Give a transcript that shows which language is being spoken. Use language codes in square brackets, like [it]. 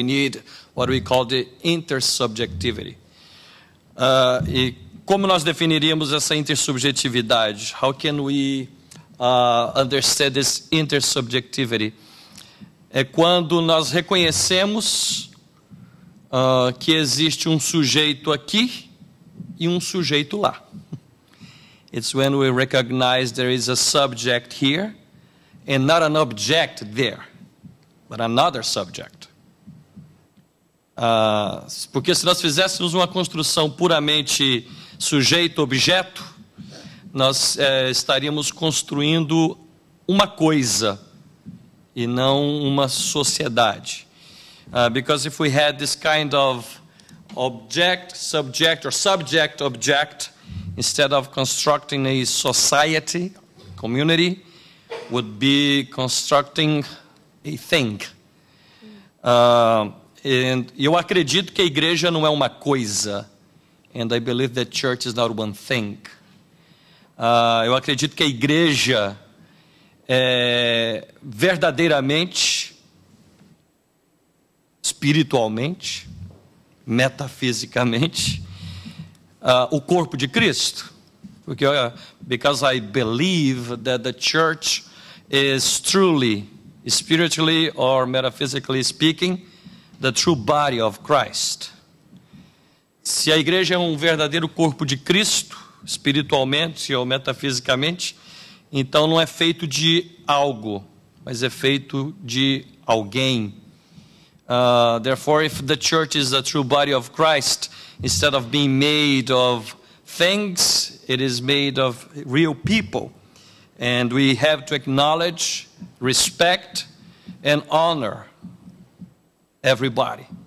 [en] We need what we call the intersubjectivity. [pt] E como nós definiríamos essa intersubjetividade? [en] How can we understand this intersubjectivity? [pt] É quando nós reconhecemos que existe um sujeito aqui e um sujeito lá. [en] It's when we recognize there is a subject here and not an object there, but another subject. [pt] Porque se nós fizéssemos uma construção puramente sujeito-objeto, nós estaríamos construindo uma coisa e não uma sociedade. [en] Because if we had this kind of object-subject or subject-object, instead of constructing a society, community, would be constructing a thing. [pt] And eu acredito que a igreja não é uma coisa. [en] And I believe that church is not one thing. [pt] Eu acredito que a igreja é verdadeiramente, espiritualmente, metafisicamente, o corpo de Cristo. [en] Porque, because I believe that the church is truly, spiritually or metaphysically speaking, the true body of Christ. [pt] Se a igreja é um verdadeiro corpo de Cristo, espiritualmente ou metafisicamente, então não é feito de algo, mas é feito de alguém. [en] Therefore, if the church is the true body of Christ, instead of being made of things, it is made of real people. And we have to acknowledge, respect, and honor everybody.